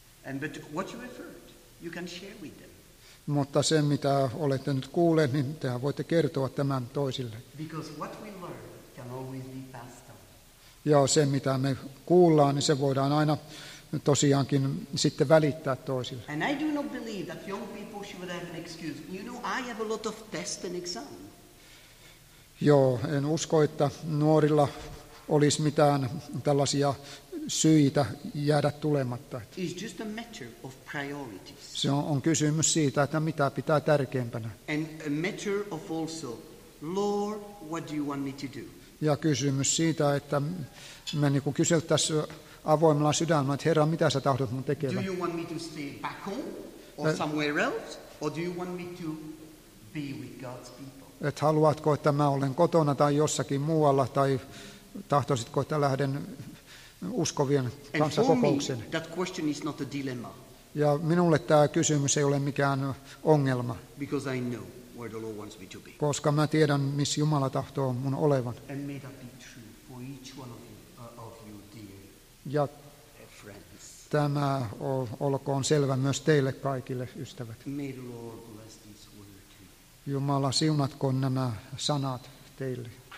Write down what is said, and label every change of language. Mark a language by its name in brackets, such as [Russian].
[English] And but what you have heard, you can share with them. [Finnish] Mutta se, mitä olette nyt kuulleet, niin tehän voitte kertoa tämän toisille. [English] Because what we learn can always be passed on. [Finnish] Ja se, mitä me kuullaan, niin se voidaan aina tosiaankin sitten välittää toisille. [English] And I do not believe that young people should have an excuse. You know, I have a lot of tests and exams. [Finnish] Joo, en usko, että nuorilla olisi mitään tällaisia syitä jäädä tulematta. [English] It's just a matter of priorities. [Finnish] Se on kysymys siitä, että mitä pitää tärkeimpänä. [English] And a matter of also, Lord, what do you want me to do? [Finnish] Ja kysymys siitä, että me niin kuin kyseltäisiin avoimella sydämellä, että Herra, mitä sä tahdot mun tekevän? [English] Do you want me to stay back home or somewhere else? Or do you want me to be with God's people? [Finnish] Että haluatko, että mä olen kotona tai jossakin muualla, tai tahtoisitko, että lähden uskovien kanssa kokoukseen? [English] That question is not a dilemma. [Finnish] Ja minulle tämä kysymys ei ole mikään ongelma. [English] Because I know where the Lord wants me to be. [Finnish] Koska mä tiedän, missä Jumala tahtoo mun olevan. [English] And may that be true for each one of you, dear [Finnish] ja [English] friends. [Finnish] Tämä olkoon selvä myös teille kaikille, ystävät. [English] May the Lord bless. [Finnish] Jumala, siunatkoon nämä sanat teille.